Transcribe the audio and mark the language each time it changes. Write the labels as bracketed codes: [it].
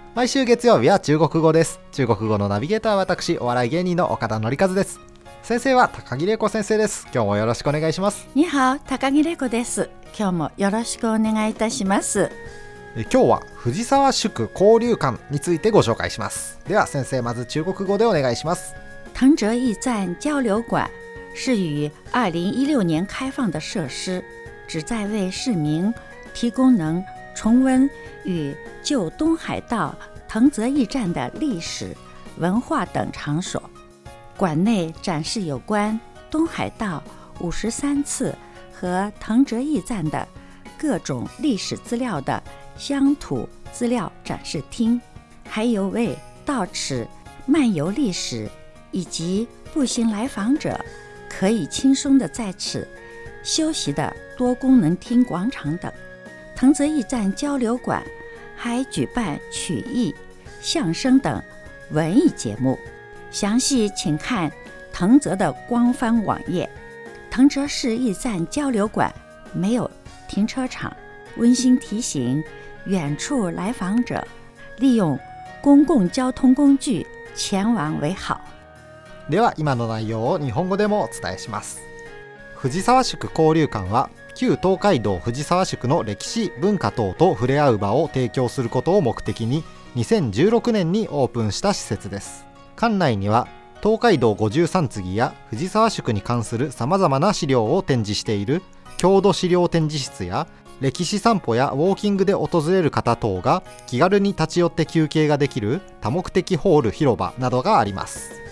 [ja] 毎週月曜日は中国語です。中国語のナビゲーターは私、お笑い芸人の岡田紀一です。先生は高木玲子先生です。今日もよろしくお願いします。 [zh] 你好、 [ja] 高木玲子です。今日もよろしくお願いいたします。今日は藤沢宿交流館についてご紹介します。では先生、まず中国語でお願いします。 [zh] 藤泽驿站交流館是于2016年开放的设施，旨在为市民提供能重温与旧东海道藤泽驿站的历史、文化等场所。馆内展示有关东海道53次和藤泽驿站的各种历史资料的乡土资料展示厅，还有为到此漫游历史以及步行来访者可以轻松地在此休息的多功能厅广场等。藤泽驿站交流馆还举办曲艺、相声等文艺节目，详细请看藤泽的官方网页。藤泽市驿站交流馆没有停车场，温馨提醒远处来访者利用公共交通工具前往为好。 [ja] では今の内容を日本語でもお伝えします。藤沢宿交流館は旧東海道藤沢宿の歴史文化等と触れ合う場を提供することを目的に2016年にオープンした施設です。館内には東海道53次や藤沢宿に関するさまざまな資料を展示している郷土資料展示室や、歴史散歩やウォーキングで訪れる方等が気軽に立ち寄って休憩ができる多目的ホール広場などがあります。